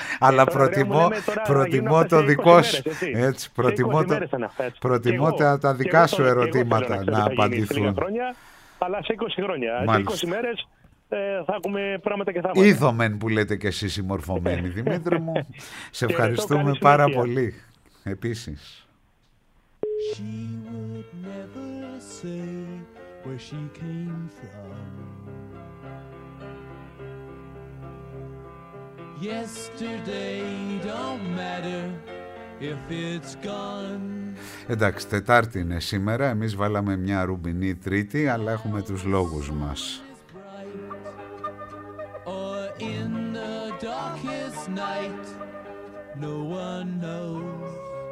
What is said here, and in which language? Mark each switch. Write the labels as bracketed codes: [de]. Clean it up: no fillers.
[el] Αλλά προτιμώ το δικό σου. Έτσι, προτιμώ τα δικά σου ερωτήματα να απαντηθούν. Αλλά σε 20 χρόνια. Μάλιστα. Σε 20 μέρες θα έχουμε πράγματα και θα έχουμε. Είδομεν που λέτε και εσείς συμμορφωμένοι, Δημήτρη μου. Σε ευχαριστούμε πάρα πολύ. Επίσης. [en] She would never say where she came from. Yesterday don't matter if it's gone. [el] Εντάξει, Τετάρτη είναι σήμερα. Εμείς βάλαμε μια ρουμπινή Τρίτη, αλλά έχουμε τους λόγους μας. [en] Or in the darkest night, no one knows.